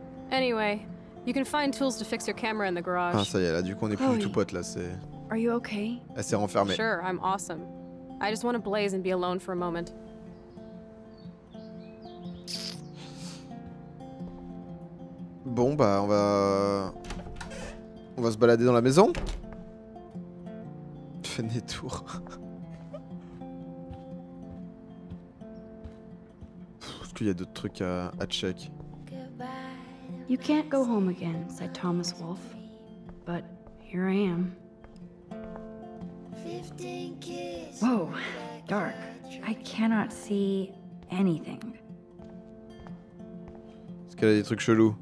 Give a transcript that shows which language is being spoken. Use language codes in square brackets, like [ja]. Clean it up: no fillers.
[en] Anyway, you can find tools to fix your camera in the garage. [fr] Ah, ça y est, là, du coup, on est plus du tout potes, là, c'est... [en] Are you okay? [fr] Elle s'est renfermée. [en] Sure, I'm awesome. I just want to blaze and be alone for a moment. [fr] Bon, bah, on va se balader dans la maison. Des tours. Est-ce qu'il y a d'autres trucs à check? [en] You can't go home again, said Thomas Wolfe. But here I am. Whoa, dark. I cannot see anything. [fr] Est-ce qu'elle a des trucs chelous?